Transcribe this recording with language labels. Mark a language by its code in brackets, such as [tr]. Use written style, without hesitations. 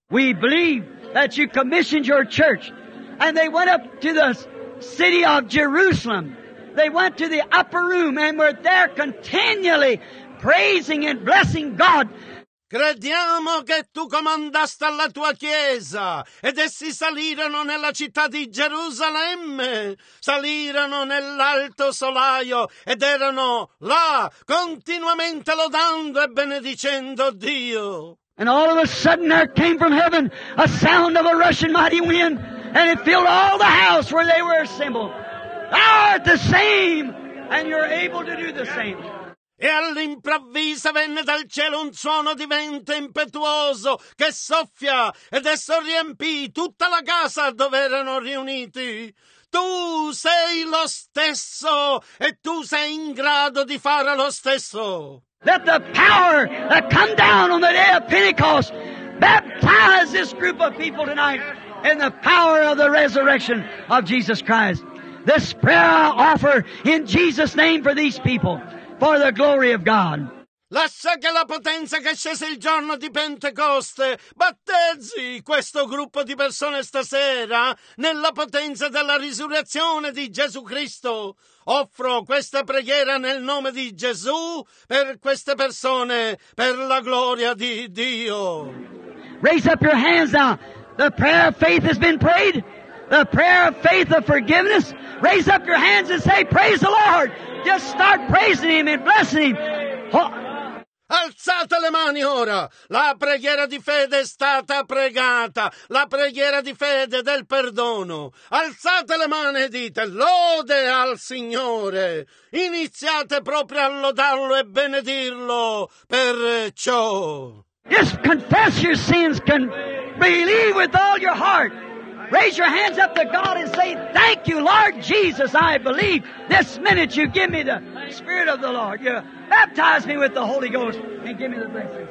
[en] We believe that You commissioned Your church, and they went up to the city of Jerusalem. They went to the upper room and were there continually praising and blessing God. [it] Crediamo che Tu comandaste alla Tua Chiesa ed essi salirono nella città di Gerusalemme. Salirono nell'alto solaio ed erano là continuamente lodando e benedicendo Dio. [en] And all of a sudden there came from heaven a sound of a rushing mighty wind and it filled all the house where they were assembled. Thou art the same, and You're able to do the same. [it] E all'improvviso venne dal cielo un suono di vento impetuoso che soffia ed esso riempì tutta la casa dove erano riuniti. Tu sei lo stesso, e Tu sei in grado di fare lo stesso. [en] Let the power that come down on the day of Pentecost baptize this group of people tonight in the power of the resurrection of Jesus Christ. This prayer I offer in Jesus' name for these people, for the glory of God. [it] Lascia che la potenza che scese il giorno di Pentecoste battezzi questo gruppo di persone stasera nella potenza della risurrezione di Gesù Cristo. Offro questa preghiera nel nome di Gesù per queste persone, per la gloria di Dio. [en] Raise up your hands now. The prayer of faith has been prayed. The prayer of faith of forgiveness. Raise up your hands and say, praise the Lord. Just start praising Him and blessing Him. [it] Alzate le mani ora! La preghiera di fede è stata pregata, la preghiera di fede del perdono. Alzate le mani e dite, lode al Signore! Iniziate proprio a lodarlo e benedirlo per ciò. [en] Just confess your sins, can believe with all your heart. Raise your hands up to God and say, thank you, Lord Jesus, I believe. This minute you give me the Spirit of the Lord. You baptize me with the Holy Ghost and give me the blessings.